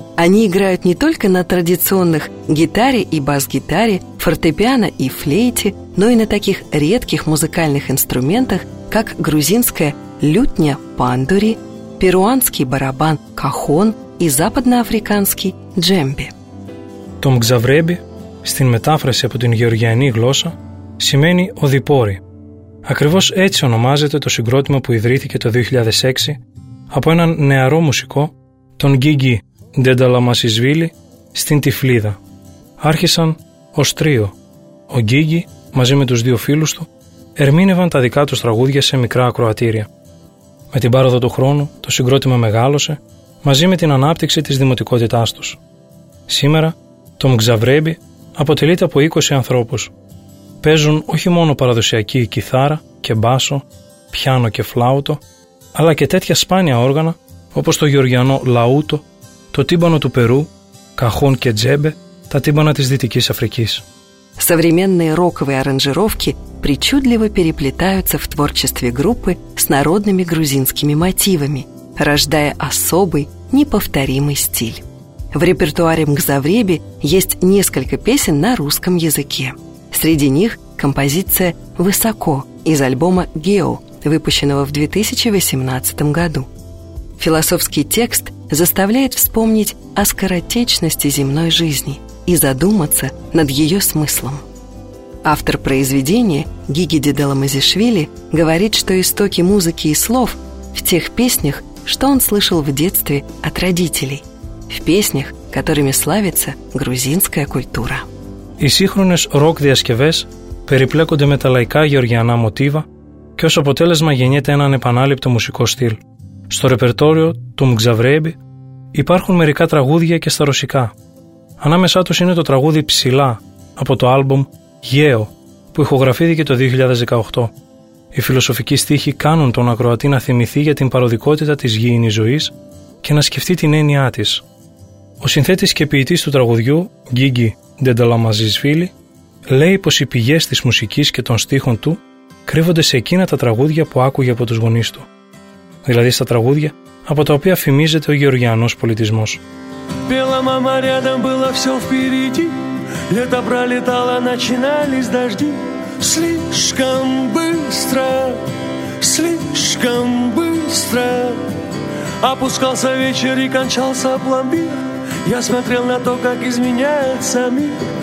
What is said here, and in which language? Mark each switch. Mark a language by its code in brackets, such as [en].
[ru] Они играют не только на традиционных гитаре и бас-гитаре, фортепиано и флейте, но и на таких редких музыкальных инструментах, как грузинская лютня пандури, перуанский барабан кахон и западноафриканский джембе. Том Гзавреби [el] στην μετάφραση από την γεωργιανή γλώσσα, σημαίνει «οδοιπόροι». Ακριβώς έτσι ονομάζεται το συγκρότημα που ιδρύθηκε το 2006 από έναν νεαρό μουσικό, τον Γκίγκι Ντενταλαμασισβίλη, στην Τυφλίδα. Άρχισαν ως τρίο. Ο Γκίγκι, μαζί με τους δύο φίλους του, ερμήνευαν τα δικά τους τραγούδια σε μικρά ακροατήρια. Με την πάροδο του χρόνου, το συγκρότημα μεγάλωσε μαζί με την ανάπτυξη της δημοτικότητάς τους. Σήμερα, το Μγκζαβρέμπι αποτελείται από 20 ανθρώπους. Παίζουν όχι μόνο παραδοσιακή κιθάρα και μπάσο, πιάνο και φλάουτο, αλλά και τέτοια σπάνια όργανα όπως το γεωργιανό λαούτο, το τύμπανο του Περού, καχόν και τζέμπε, τα τύμπανα της Δυτικής Αφρικής. [ru] Современные роковые аранжировки причудливо переплетаются в творчестве группы с народными грузинскими мотивами, рождая особый, неповторимый стиль. В репертуаре Мгзавреби есть несколько песен на русском языке. Среди них композиция «Высоко» из альбома «Гео», выпущенного в 2018 году. Философский текст заставляет вспомнить о скоротечности земной жизни – и задуматься над ее смыслом. Автор произведения, Гиги Деделамазишвили, говорит, что истоки музыки и слов в тех песнях, что он слышал в детстве от родителей, в песнях, которыми славится грузинская культура. [el] Οι σύγχρονες ροκ-διασκευές περιπλέκονται με τα λαϊκά γεωργιανά μοτίβα και ως αποτέλεσμα γεννιέται έναν επανάληπτο μουσικό στυλ. Στο ρεπερτόριο του Μγκζαβρέμπι υπάρχουν μερικά τραγούδια και στα ρωσικά. Ανάμεσά τους είναι το τραγούδι «Ψηλά» από το άλμπουμ «Γαίο» που ηχογραφήθηκε το 2018. Οι φιλοσοφικοί στίχοι κάνουν τον ακροατή να θυμηθεί για την παροδικότητα της γήινης ζωής και να σκεφτεί την έννοιά της. Ο συνθέτης και ποιητής του τραγουδιού, Γκίγκι Ντενταλαμαζισβίλη, λέει πως οι πηγές της μουσικής και των στίχων του κρύβονται σε εκείνα τα τραγούδια που άκουγε από τους γονείς του. Δηλαδή στα τραγούδια από τα οποία φημίζεται ο γεωργιανός πολιτισμός. [ru] Пела мама рядом, было все впереди. Лето пролетало, начинались дожди. Слишком быстро, слишком быстро. Опускался вечер и кончался пломбир. Я смотрел на то, как изменяется мир.